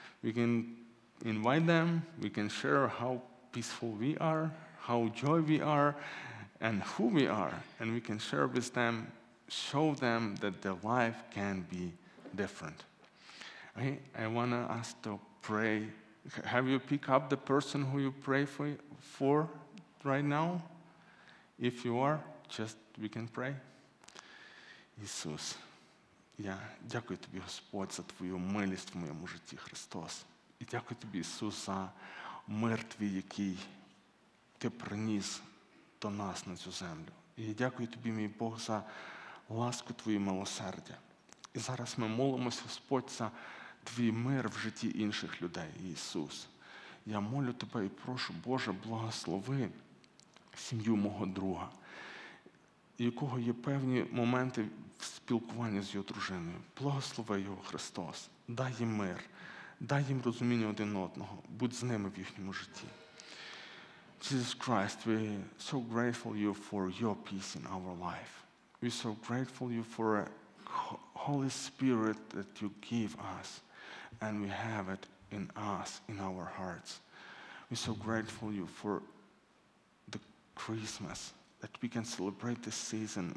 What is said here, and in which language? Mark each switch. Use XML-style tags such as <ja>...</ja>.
<en>We can invite them, we can share how peaceful we are, how joy we are, and who we are, and we can share with them, show them that their life can be different. Okay, I want to ask to pray. Have you picked up the person who you pray for right now? If you are, just we can pray.</en> <uk>Jesus, я дякую тобі, Господь, за твою милість в моєму житті, Христос. І дякую тобі, Ісус, за мир твій, який ти приніс до нас на цю землю. І дякую тобі, мій Бог, за ласку твою, милосердя. І зараз ми молимося, Господь, за твій мир в житті інших людей, Ісус. Я молю тебе і прошу, Боже, благослови сім'ю мого друга, якого є певні моменти в спілкуванні з його дружиною. Благослови його, Христос. Дай їм мир. Дай їм розуміння один одного. Будь з ними в їхньому житті.</uk> <en>Jesus Christ, we are so grateful you for your peace in our life. We are so grateful you for the Holy Spirit that you give us and we have it in us, in our hearts. We are so grateful you for the Christmas that we can celebrate this season.</en>